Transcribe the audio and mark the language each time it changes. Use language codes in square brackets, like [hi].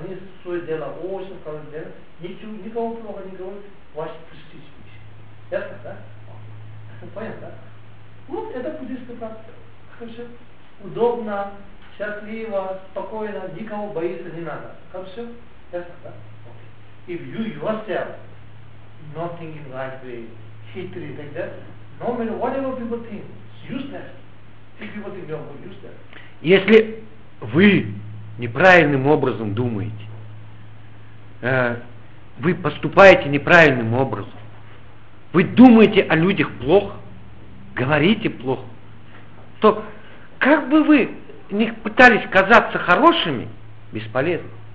[ru] Они свое дело, очень хорошее дело. Ничего, никого плохо не говорит. Ваши пустите. Ясно, да? Понял, да? Вот это буддийская практика. Хорошо. Удобно. Счастливо, спокойно, никого боиться не надо. Как все? Ясно, да? Okay. [en] If you yourself not thinking like the history like that, no matter whatever people think, it's useless. If people think you're useless. [ru] Если вы неправильным образом думаете, вы поступаете неправильным образом, вы думаете о людях плохо, говорите плохо, то как бы вы не пытались казаться хорошими, бесполезно.